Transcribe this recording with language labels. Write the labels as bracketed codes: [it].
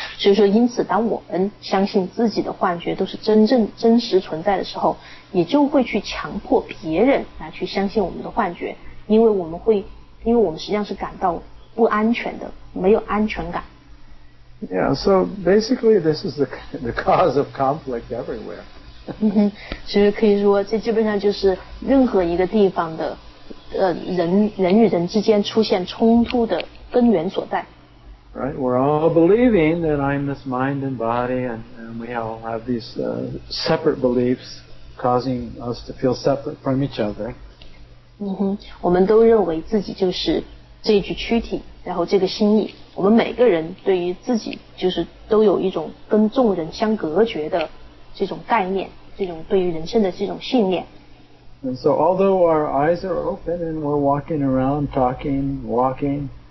[zh] 所以说因此当我们相信自己的幻觉都是真实存在的时候，也就会去强迫别人来去相信我们的幻觉，因为我们实际上是感到不安全的，没有安全感。 [en] Yeah, so basically this is the cause of conflict everywhere. [zh] 其实可以说这基本上就是任何一个地方的人与人之间出现冲突的根源所在。 [en] Right, we're all believing that I'm this mind and body, and we all have these separate beliefs causing us to feel separate from each other. [zh] 我们都认为自己就是这具躯体，然后这个心意，我们每个人对于自己就是都有一种跟众人相隔绝的这种概念，这种对于人生的这种信念。 [en] And so although our eyes are open and we're walking around, talking, walking.